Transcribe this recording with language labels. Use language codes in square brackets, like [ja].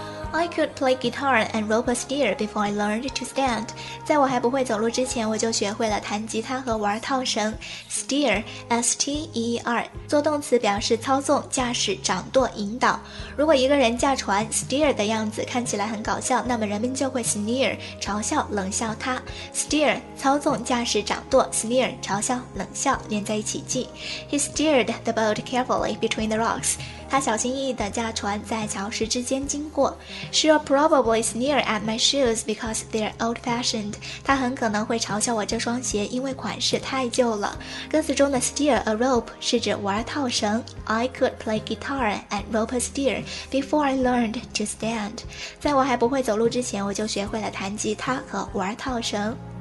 [en] I could play guitar and rope a steer before I learned to stand. [zh] 在我还不会走路之前，我就学会了弹吉他和玩套绳。 Steer, S-T-E-E-R, 做动词表示操纵、驾驶、掌舵、引导。如果一个人驾船 ,steer 的样子看起来很搞笑，那么人们就会 sneer, 嘲笑、冷笑他。 Steer, 操纵、驾驶、掌舵 ,sneer, 嘲笑、冷笑，连在一起记。 [en] He steered the boat carefully between the rocks. [zh] 他小心翼翼地驾船在礁石之间经过。 [en] She'll probably sneer at my shoes because they're old-fashioned. [zh] 他很可能会嘲笑我这双鞋，因为款式太旧了。歌词中的 [en] steer a rope [zh] 是指玩套绳。 [en] I could play guitar and rope a steer before I learned to stand. [zh] 在我还不会走路之前，我就学会了弹吉他和玩套绳。